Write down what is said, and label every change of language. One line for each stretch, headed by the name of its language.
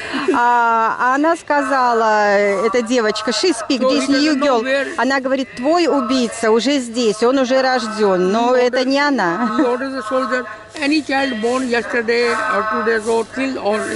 Russian: Она сказала, эта девочка,
English: she speak, this new girl.
Russian: Она говорит, твой убийца уже здесь, он уже рожден, но это не она.
English: Any child born yesterday or 2 days old, kill all.